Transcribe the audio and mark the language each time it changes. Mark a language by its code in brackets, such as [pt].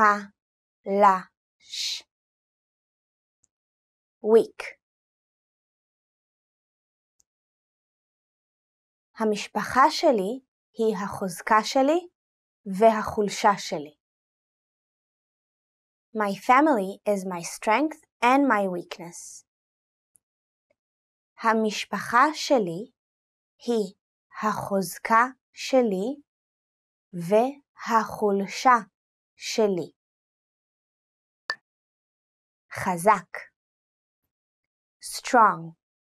[he] חלש. [en] Weak. [he] המשפחה שלי היא החוזקה שלי והחולשה שלי. [en] My family is my strength and my weakness. [he] המשפחה שלי היא החוזקה שלי והחולשה שלי. חזק. [en] Strong.